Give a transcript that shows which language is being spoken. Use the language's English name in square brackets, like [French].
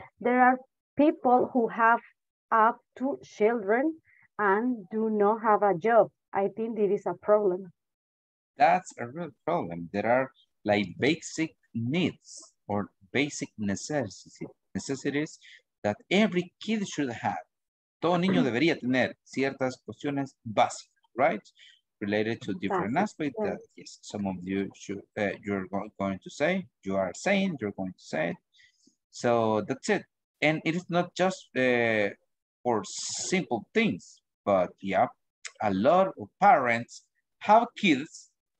[English] There are people who have up to children and do not have a job. I think it is a problem. That's a real problem. There are like basic needs or basic necessities that every kid should have. [Spanish] Todo niño debería tener ciertas cuestiones básicas, right? [English] Related to different aspects that, yes, some of you should, you're going to say. So that's it. And it is not just for simple things, but yeah, a lot of parents have kids.